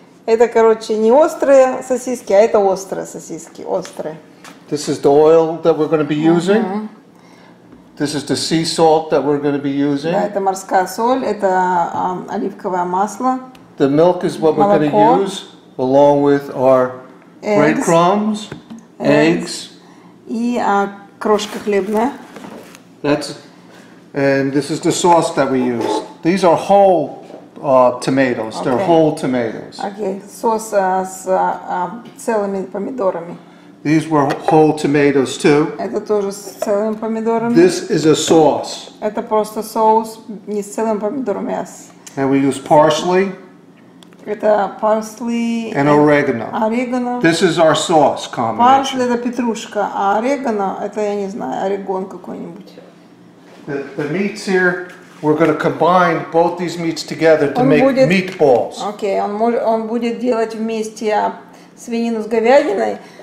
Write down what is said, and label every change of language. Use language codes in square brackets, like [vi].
[ru] Это, короче, не острые сосиски, а это острые сосиски, острые. [en] This is the oil that we're going to be using. This is the sea salt that we're going to be using. [ru] Да, это морская соль, это оливковое масло. [en] The milk is what [ru] молоко. [en] We're going to use. Along with our eggs. Breadcrumbs, eggs. [ru] И крошка хлебная. [en] That's, and this is the sauce that we use. These are whole tomatoes. Okay. They're whole tomatoes. [ru] Okay, sauce целыми помидорами. [en] These were whole tomatoes too. [ru] Это тоже с целыми помидорами. [en] This is a sauce. [ru] Это просто соус не с целыми помидорами, а с... [en] And we use parsley. [ru] Это парсли [en] and oregano. [ru] Орегано. [en] This is our sauce combination. [ru] Парсли это петрушка, а орегано это я не знаю, орегон какой-нибудь. [en] The meats here, we're going to combine both these meats together to [ru] он [en] make [ru] будет, [en] meatballs. [ru] Okay, он будет делать вместе свинину с говядиной.